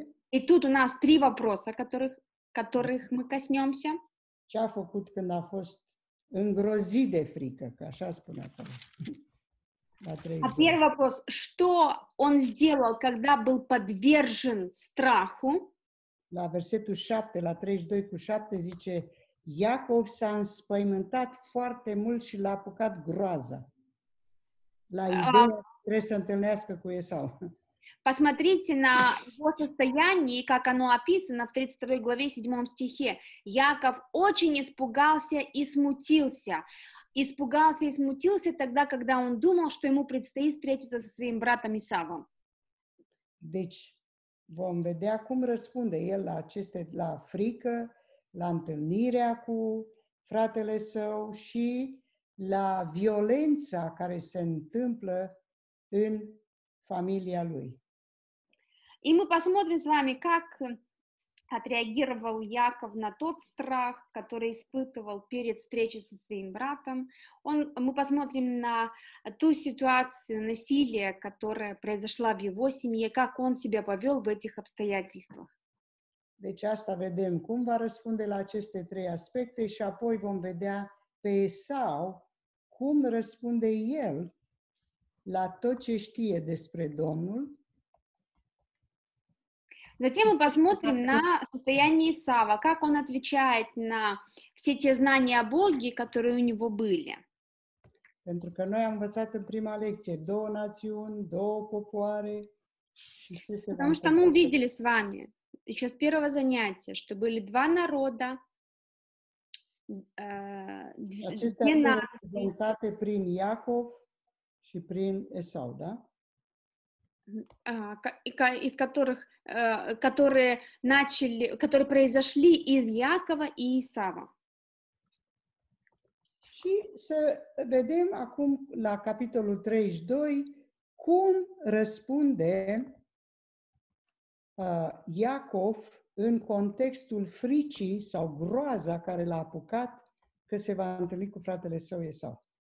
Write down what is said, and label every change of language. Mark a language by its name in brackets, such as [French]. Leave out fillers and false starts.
[Russian] И тут у нас три вопроса, которых мы коснемся. [Romanian] Ce a făcut când a fost îngrozit de frică, că așa spune acolo. [Russian] А первый вопрос, что он сделал, когда был подвержен страху? [Romanian] La versetul 7, la 32 cu 7, zice, Iacov s-a înspăimântat foarte mult și l-a apucat groaza. La ideea că trebuie să întâlnească cu Esau. [Russian] Посмотрите на его состояние, как оно описано в 32 главе 7 стихе. Яков очень испугался и смутился. Испугался и смутился тогда, когда он думал, что ему предстоит встретиться со своим братом Исавом. [Romanian] Deci, vom vedea cum răspunde el la aceste, la frică, la întâlnirea cu fratele său și la violența care se întâmplă în familia lui. [Russian] И мы посмотрим с вами, как отреагировал Яков на тот страх, который испытывал перед встречей со своим братом. Мы посмотрим на ту ситуацию насилия, которая произошла в его семье, как он себя повел в этих обстоятельствах. [Romanian] Deci asta vedem cum va răspunde la aceste trei aspecte și apoi vom vedea pe Esau cum răspunde el la tot ce știe despre Domnul. [Russian] Затем мы посмотрим на состояние Исава, как он отвечает на все те знания о Боге, которые у него были. [Romanian] Pentru că noi am învățat în prima lecție două națiuni, două popoare. [Russian] Потому что мы увидели с вами еще с первого занятия, что были два народа, две нации. [Romanian] Acestea sunt prezentate prin Iacov și prin Esau, da? [Russian] Из которых, которые произошли из Якова и Исава. [Romanian] Și să vedem acum la capitolul 32 cum răspunde Iacov în contextul fricii sau groaza care l-a apucat că se va întâlni cu fratele său Esau.